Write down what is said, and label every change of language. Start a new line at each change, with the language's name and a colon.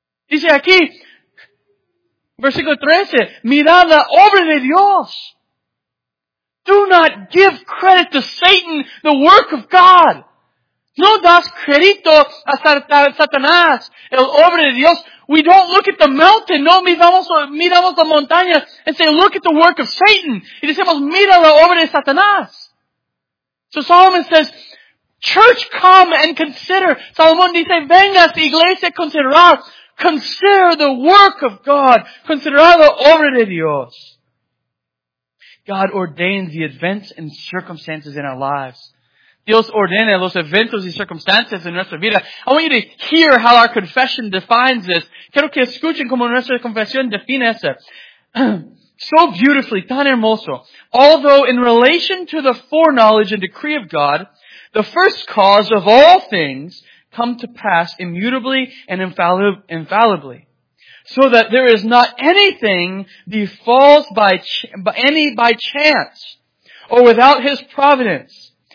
Spanish: Dice aquí, versículo 13, mirad la obra de Dios.
English: Do not give credit to Satan, the work of God.
Spanish: No das crédito a Satanás, el obra de Dios.
English: We don't look at the mountain.
Spanish: No miramos la montaña
English: and say, look at the work of Satan.
Spanish: Y decimos, mira la obra de Satanás.
English: So Solomon says, church, come and consider.
Spanish: Salomón dice, venga a iglesia a considerar.
English: Consider the work of God.
Spanish: Consider la obra de Dios.
English: God ordains the events and circumstances in our lives.
Spanish: Dios ordena los eventos y circunstancias en nuestra vida.
English: I want you to hear how our confession defines this.
Spanish: Quiero que escuchen cómo nuestra confesión define eso.
English: So beautifully,
Spanish: tan hermoso.
English: Although in relation to the foreknowledge and decree of God, the first cause of all things come to pass immutably and infallibly. So that there is not anything befalls by chance or without his providence.